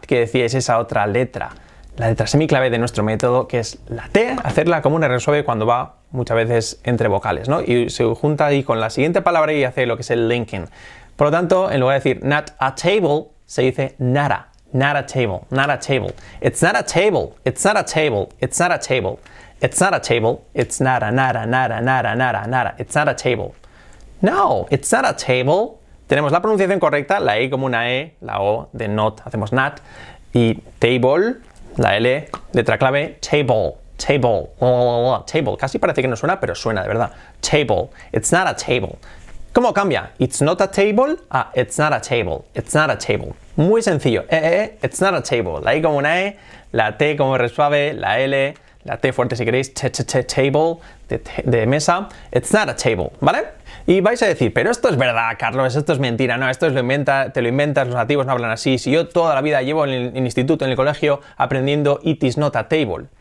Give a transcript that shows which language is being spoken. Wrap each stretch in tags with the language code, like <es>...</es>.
<es>Que decíais esa otra letra. La letra semiclave de nuestro método, que es la T, hacerla como una R suave cuando va muchas veces entre vocales, ¿no? Y se junta ahí con la siguiente palabra y hace lo que es el linking. Por lo tanto, en lugar de decir</es> <en>not a table,</en> <es>se dice nada,</es> <en>not a table, not a table. It's not a table, it's not a table, it's not a table. It's not a table, it's nada, nada, nada, nada, nada, nada, it's not a table. No, it's not a table.</en> <es>Tenemos la pronunciación correcta, la E como una E, la O de not, hacemos not, y table. La L, letra clave, table, table, table, casi parece que no suena, pero suena de verdad, table,</es> <en>it's not a table.</en> <es>¿Cómo cambia?</es> <en>It's not a table a it's not a table, it's not a table.</en> <es>Muy sencillo,</es> <en>it's not a table,</en> <es>la I como una E, la T como R suave, la L, la T fuerte si queréis, table, de mesa, it's not a table, ¿vale? Y vais a decir, pero esto es verdad, Carlos, esto es mentira, no, esto es te lo inventas, los nativos no hablan así, si yo toda la vida llevo en el instituto, en el colegio, aprendiendo</es> <en>it is not a table.</en>